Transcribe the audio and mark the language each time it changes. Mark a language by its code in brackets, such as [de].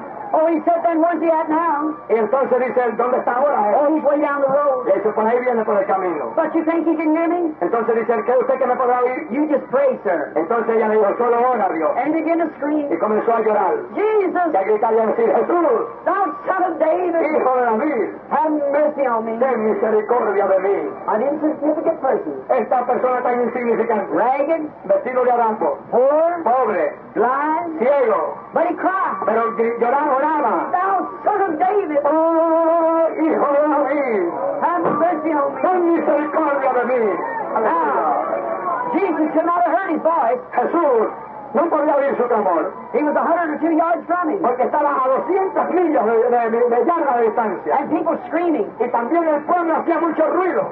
[en] Oh, he said then, where's he at now? [es] Y entonces dice, ¿dónde está ahora? [en] Oh, he's way down the road. [es] Y dice, por ahí viene por el camino. [en] But you think he can hear me? [es] Entonces dice, ¿qué usted que me podrá oír? [en] You just pray, sir. [es] Entonces ella le dijo, solo ora, Dios. [en] And began to scream. [es] Y comenzó a llorar. [en] Jesus. [es] Y a gritar y a decir, Jesús. [en] Thou son of David. [es] Hijo de David. [en] Have mercy on me. [es] Ten misericordia de mí. [en] An insignificant person. [es] Esta persona tan insignificante. [en] Ragged. [es] Vestido de harapo. [en] Poor. [es] Pobre. [en] Blind. [es] Ciego. [en] But he cried. [es] Pero lloraba. [en] Thou son of David. [es] Oh, hijo de David. [en] Have mercy on me. [es] Ten misericordia de mí. [en] Now, Jesus could not have heard his voice. [es] Jesús no podía oír su clamor. [en] He was 102 yards from him. [es] Porque estaba a 200 millas de yarda de distancia. [en] And people screaming. [es] Y también el pueblo hacía mucho ruido.